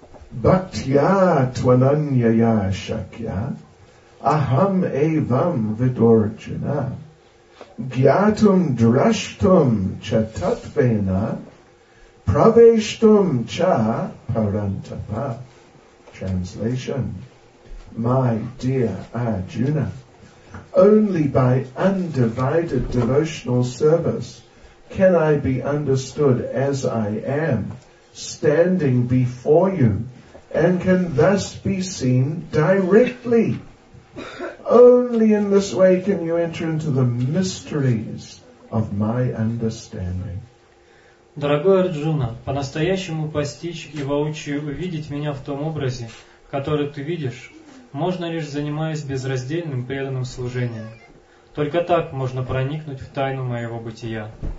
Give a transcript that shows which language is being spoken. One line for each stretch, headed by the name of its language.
Sanskrit: Бхактья твананьяя шакья Ахам эйвам видорджина Гьятум драштум чататвена Praveshtum cha parantapa.
English: Translation. My dear Arjuna, only by undivided devotional service can I be understood as I am, standing before you, and can thus be seen directly. Only in this way can you enter into the mysteries of my understanding.
Russian: Дорогой Арджуна, по-настоящему постичь и воочию увидеть меня в том образе, который ты видишь, можно лишь занимаясь безраздельным преданным служением. Только так можно проникнуть в тайну моего бытия.